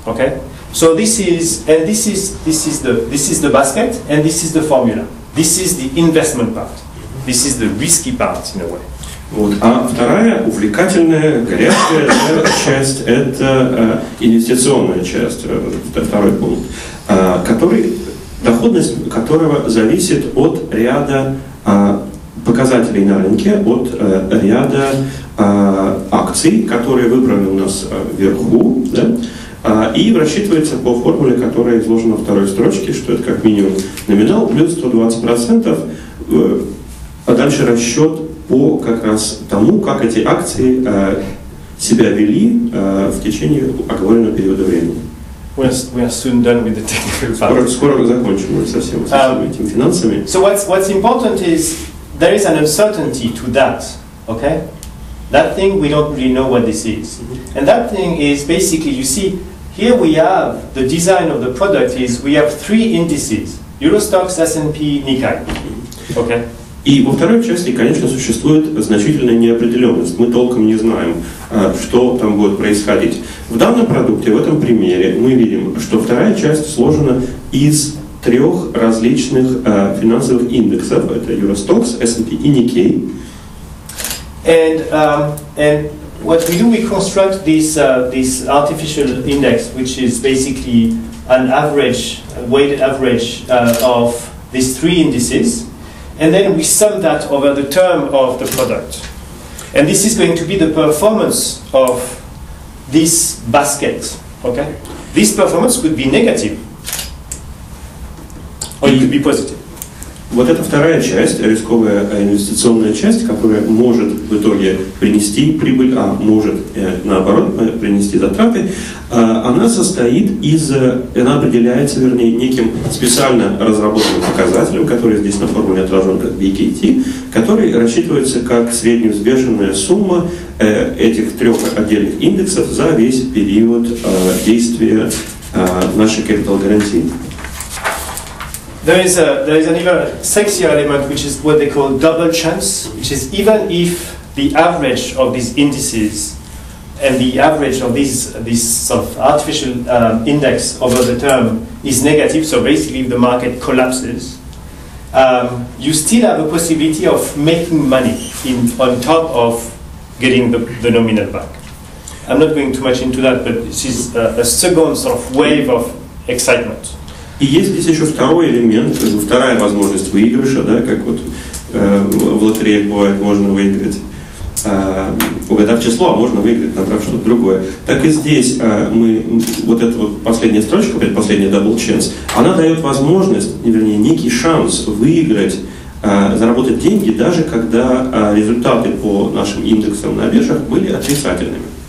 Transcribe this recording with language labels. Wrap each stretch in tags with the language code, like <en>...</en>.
<en>Okay, so this is the basket, and this is the formula. This is the investment part. This is the risky part in a way.</en> <ru>Вот. А вторая, увлекательная, горячая часть, это инвестиционная часть, это второй пункт, доходность которого зависит от ряда показателей на рынке, от ряда акций, которые выбраны у нас вверху, да, и рассчитывается по формуле, которая изложена во второй строчке, что это как минимум номинал плюс 120%, а дальше расчет по как раз тому, как эти акции себя вели в течение оговоренного периода времени.</ru> <en>We are soon done with the technical part.</en> <ru>Скоро закончим мы совсем со всеми этими финансами.</ru> <en>So what's important is there is an uncertainty to that, okay? That thing we don't really know what this is, and that thing is basically you see here we have the design of the product is we have three indices: Eurostox, S&P, Nikkei. Okay.</en> <ru>И во второй части, конечно, существует значительная неопределенность. Мы толком не знаем, что там будет происходить. В данном продукте, в этом примере, мы видим, что вторая часть сложена из трех различных финансовых индексов. Это Eurostox, S&P и Nikkei.</ru> <en>And what we do, we construct this artificial index, which is basically an average, weighted average of these three indices. And then we sum that over the term of the product. And this is going to be the performance of this basket. Okay? This performance could be negative. Or it could be positive.</en> <ru>Вот эта вторая часть, рисковая инвестиционная часть, которая может в итоге принести прибыль, а может наоборот принести затраты, она состоит из, она определяется, вернее, неким специально разработанным показателем, который здесь на формуле отражен как BKT, который рассчитывается как средневзвешенная сумма этих трех отдельных индексов за весь период действия нашей capital guarantee.</ru> <en>There is an even sexier element, which is what they call double chance, which is even if the average of these indices and the average of this sort of artificial index over the term is negative, so basically if the market collapses, you still have a possibility of making money on top of getting the nominal back. I'm not going too much into that, but this is a second sort of wave of excitement.</en> <ru>И есть здесь еще второй элемент, вторая возможность выигрыша, да, как вот в лотереях бывает, можно выиграть, угадав число, а можно выиграть, набрав что-то другое. Так и здесь мы, вот эта вот последняя строчка, предпоследняя double chance, она дает возможность, вернее, некий шанс выиграть, заработать деньги, даже когда результаты по нашим индексам на биржах были отрицательными.</ru>